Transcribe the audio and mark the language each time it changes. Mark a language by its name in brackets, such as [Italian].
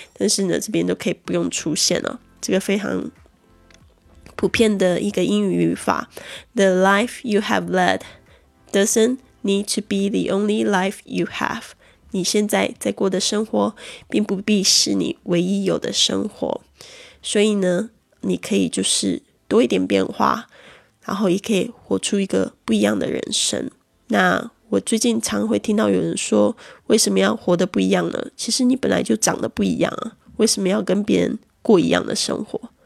[Chinese] 但是呢这边都可以不用出现了、哦。这个非常普遍的一个英语语法。 [English] The life you have led doesn't need to be the only life you have. [Chinese] 你现在在过的生活并不必是你唯一有的生活。所以呢你可以就是多一点变化然后也可以活出一个不一样的人生那我最近常会听到有人说为什么要活得不一样呢其实你本来就长得不一样啊，为什么要跟别人过一样的生活